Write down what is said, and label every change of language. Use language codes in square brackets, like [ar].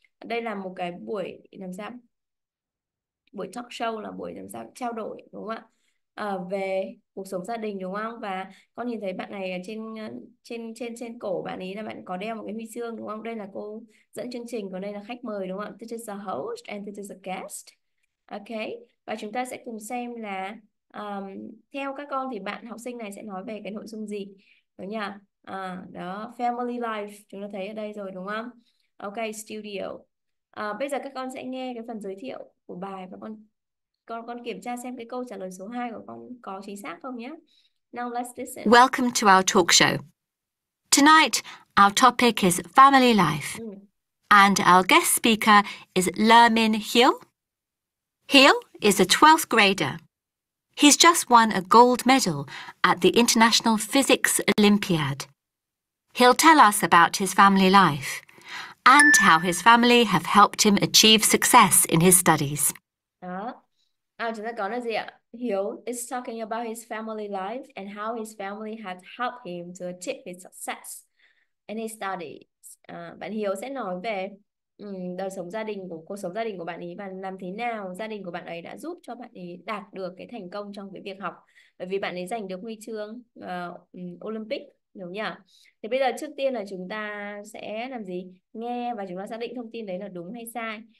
[vi] Đây là một cái buổi làm sao? Buổi talk show là buổi làm sao trao đổi đúng không ạ? Về cuộc sống gia đình đúng không? Và con nhìn thấy bạn này trên trên trên trên cổ bạn ấy là bạn có đeo một cái huy chương đúng không? Đây là cô dẫn chương trình, còn đây là khách mời đúng không ạ? [en] This is a host and this is a guest. Okay. [vi] Và chúng ta sẽ cùng xem là theo các con thì bạn học sinh này sẽ nói về cái nội dung gì đúng nhỉ? Đó, family life chúng ta thấy ở đây rồi đúng không? Ok, studio. Bây giờ các con sẽ nghe cái phần giới thiệu của bài và con kiểm tra xem cái câu trả lời số 2 của con có chính xác không nhé. [en] Now let's listen. Welcome to our talk show. Tonight, our topic is family life. And our guest speaker is Lermin Hill. Hill is a 12th grader. He's just won a gold medal at the International Physics Olympiad. He'll tell us about his family life and how his family have helped him achieve success in his studies. [vi] Chúng ta có là gì ạ? [en] Hiếu is talking about his family life and how his family has helped him to achieve his success in his studies. [vi] Bạn Hiếu sẽ nói về đời sống gia đình của cuộc sống gia đình của bạn ấy và làm thế nào gia đình của bạn ấy đã giúp cho bạn ấy đạt được cái thành công trong cái việc học, bởi vì bạn ấy giành được huy chương Olympic. Đúng nhỉ? Thì bây giờ trước tiên là chúng ta sẽ làm gì? Nghe và chúng ta xác định thông tin đấy là đúng hay sai.